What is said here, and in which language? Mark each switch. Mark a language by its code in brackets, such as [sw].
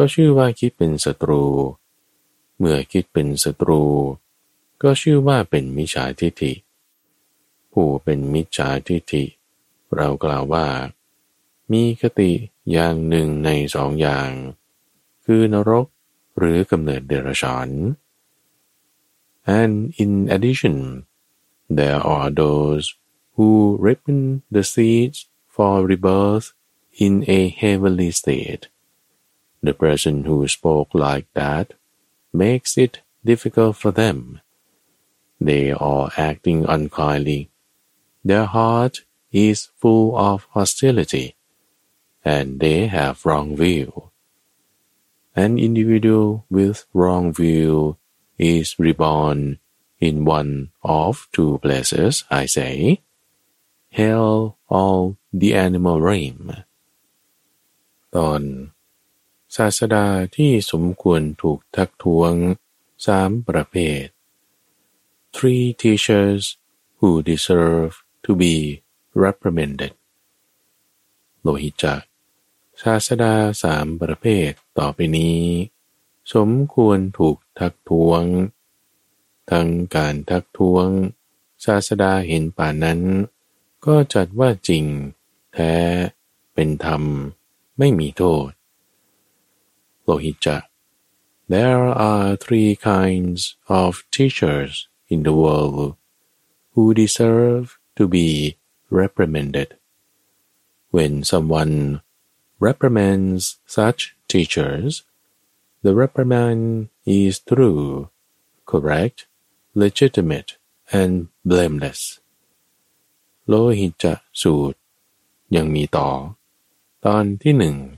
[th] ชื่อว่าคิดเป็นศัตรูเมื่อคิดเป็นศัตรูก็ชื่อว่าเป็นมิจฉาทิฏฐิผู้เป็นมิจฉาทิฏฐิเรากล่าวว่ามีคติอย่างหนึ่งในสองอย่างคือนรกหรือกำเนิดเดรัจฉาน [en] And in addition, there are those who ripen the seeds for rebirth in a heavenly state. The person who spoke like that makes it difficult for them. They are acting unkindly. Their heart is full of hostility, and they have wrong view. An individual with wrong view is reborn in one of two places, I say, hell or the animal realm. [th] ตอนศาสดาที่สมควรถูกทักท้วง3ประเภท [en] Three teachers who deserve to be reprimanded. [th] Lohicca ศาสดา3ประเภทต่อไปนี้สมควรถูกทักท้วงทั้งการทักท้วงศาสดาเห็นป่านั้นก็จัดว่าจริงแท้เป็นธรรมไม่มีโทษ Lohicca [en] There are three kinds of teachers in the world who deserve to be reprimanded. When someone reprimands such teachers, the reprimand is true, correct, legitimate, and blameless. [th] Lohicca สูตรยังมีต่อตอนที่หนึ่ง